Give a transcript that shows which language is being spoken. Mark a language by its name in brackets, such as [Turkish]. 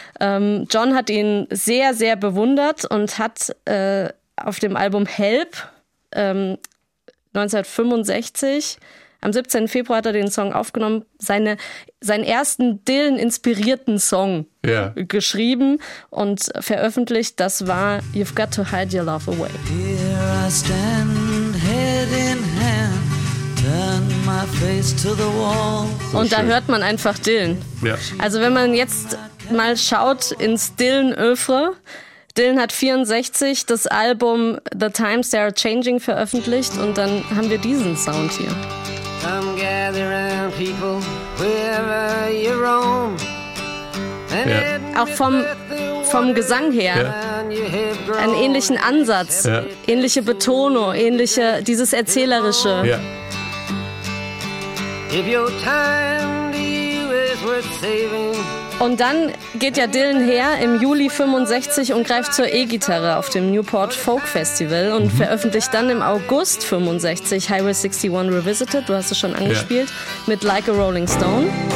[German] John hat ihn sehr, sehr bewundert und hat auf dem Album Help 1965, am 17. Februar hat er den Song aufgenommen, seinen ersten Dylan-inspirierten Song geschrieben und veröffentlicht. Das war You've Got to Hide Your Love Away. [English] Here I stand, head in hand. Turn my face to the wall. [German] Und da hört man einfach Dylan. Ja. Also wenn man jetzt mal schaut ins Dylan-Oeuvre. Dylan hat 64 das Album The Times They Are Changing veröffentlicht und dann haben wir diesen Sound hier. [English] Come gather around people wherever you roam. [German] Ja. Auch vom Gesang her einen ähnlichen Ansatz, ähnliche Betonung, ähnliche, dieses Erzählerische. [English] If your time to you is worth [German] Und dann geht ja Dylan her im Juli 65 und greift zur E-Gitarre auf dem Newport Folk Festival und veröffentlicht dann im August 65 Highway 61 Revisited, du hast es schon angespielt, mit Like a Rolling Stone.